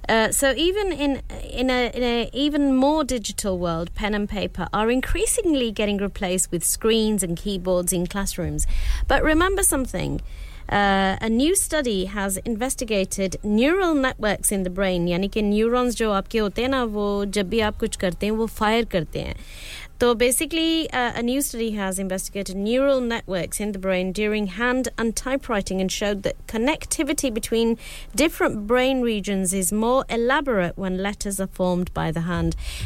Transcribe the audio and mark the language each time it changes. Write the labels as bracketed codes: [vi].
[en] So even in a even more digital world, pen and paper are increasingly getting replaced with screens and keyboards in classrooms. But remember something. A new study has investigated neural networks in the brain. [hi] यानी कि neurons जो आपके होते हैं ना, वो जब भी आप कुछ करते हैं, वो fire करते हैं. [en] So basically, a new study has investigated neural networks in the brain during hand and typewriting and showed that connectivity between different brain regions is more elaborate when letters are formed by the hand.